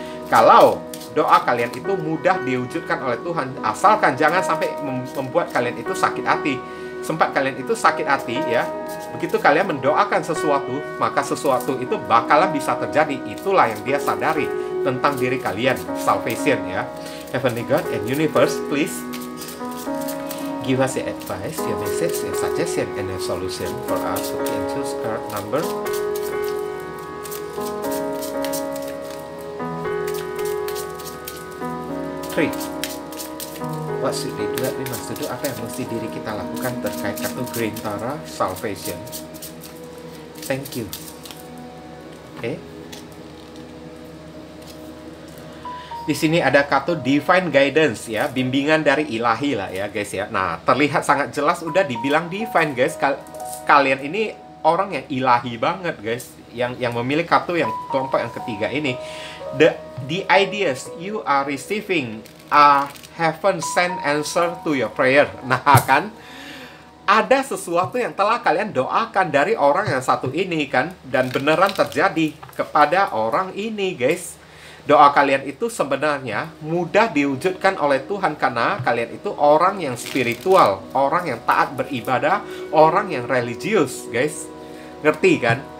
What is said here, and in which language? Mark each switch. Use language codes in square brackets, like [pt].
[id] Kalau doa kalian itu mudah diwujudkan oleh Tuhan, asalkan jangan sampai membuat kalian itu sakit hati. Sempat kalian itu sakit hati ya, begitu kalian mendoakan sesuatu, maka sesuatu itu bakalan bisa terjadi. Itulah yang dia sadari tentang diri kalian. Salvation ya. [en] Heavenly God and Universe, please give us your advice, your message, your suggestion, and your solution for us. Okay, and choose card number. What should we do? We must do. [id] Apa yang mesti diri kita lakukan terkait kartu [en] Green Tara Salvation? Thank you. Okay. [id] Di sini ada kartu Divine Guidance ya, bimbingan dari Ilahi lah ya guys ya. Nah, terlihat sangat jelas udah dibilang Divine guys. Kalian ini orang yang Ilahi banget guys, yang memilih kartu yang kelompok yang ketiga ini. [en] The ideas you are receiving are heaven sent answer to your prayer. [id] Nah kan, ada sesuatu yang telah kalian doakan dari orang yang satu ini kan, dan beneran terjadi kepada orang ini guys. Doa kalian itu sebenarnya mudah diwujudkan oleh Tuhan karena kalian itu orang yang spiritual, orang yang taat beribadah, orang yang religius guys. Ngerti kan?